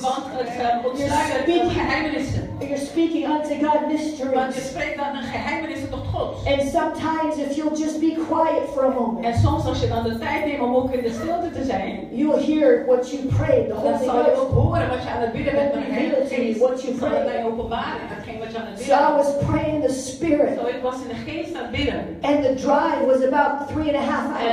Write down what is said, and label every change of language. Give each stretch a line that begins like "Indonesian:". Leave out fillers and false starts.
Dutch: Want het ontsluit geheimenissen.
English: You're speaking unto God mysteries.
Dutch: Want je spreekt dan een geheimenissen tot God.
English: And sometimes if you'll just be quiet for a moment.
Dutch: En soms als je dan de tijd neemt om ook in de stilte te zijn.
English: You'll hear what you prayed.
Dutch: Dan zal je ook horen wat je aan het bidden bent. Dan zal je wat je aan het bidden.
English: So I was praying the spirit.
Dutch: So ik was in de geest aan het bidden.
English: And the drive was about 3.5 hours.